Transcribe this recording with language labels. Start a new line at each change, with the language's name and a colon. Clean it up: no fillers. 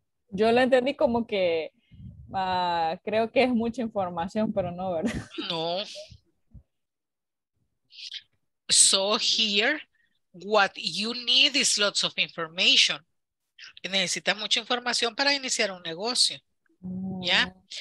Spanish: Yo lo entendí como que creo que es mucha información, pero no, ¿verdad? No.
English: So here, what you need is lots of information.
Spanish: Necesitas mucha información para iniciar un negocio, ¿ya?